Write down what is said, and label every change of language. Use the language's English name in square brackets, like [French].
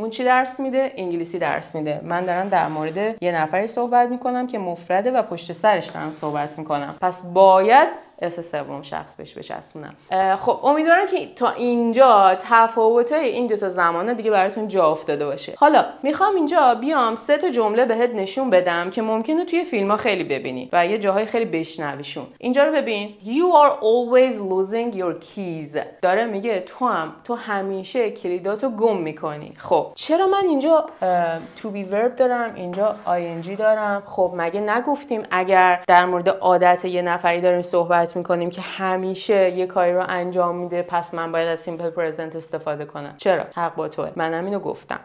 [Persian] اون چی درس میده؟ انگلیسی درس میده. من دارم در مورد یه نفری صحبت میکنم که مفرده و پشت سرش دارم صحبت میکنم، پس باید اس سوم شخص بهش بچسبونم. خب امیدوارم که تا اینجا تفاوت‌های این دو تا زمانه دیگه براتون جا افتاده باشه. حالا میخوام اینجا بیام سه تا جمله بهت نشون بدم که ممکنه توی فیلم‌ها خیلی ببینی و یه جاهای خیلی بشنویشون. اینجا رو ببین. [English] You are always losing your keys. [Persian] داره میگه تو همیشه کلیداتو گم می‌کنی. خب چرا من اینجا to be verb دارم، اینجا ing دارم؟ خب مگه نگفتیم اگر در مورد عادت یه نفری داریم صحبت میکنیم که همیشه یه کاری رو انجام میده، پس من باید از simple present استفاده کنم؟ چرا؟ حق با توه، منم اینو گفتم.